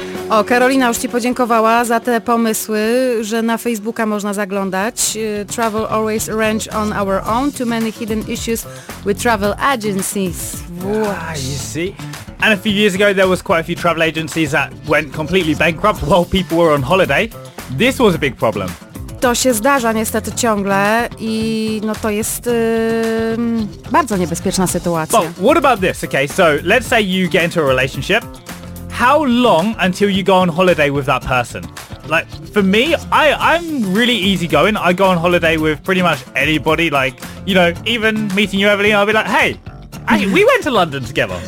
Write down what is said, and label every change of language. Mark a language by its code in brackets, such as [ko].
[pl] O, Karolina już ci podziękowała za te pomysły, że na Facebooka można zaglądać. [en] Travel always arrange on our own. Too many hidden issues with travel agencies. You see? And a few years ago, there was quite a few travel agencies that went completely bankrupt while people were on holiday. This was a big problem. [pl] To się zdarza niestety ciągle i no to jest bardzo niebezpieczna sytuacja. [en] But what about this? Okay, so let's say you get into a relationship. How long until you go on holiday with that person? Like, for me, I'm really easygoing. I go on holiday with pretty much anybody. Like, you know, even meeting you, Evelyn, I'll be like, hey, we went to London together.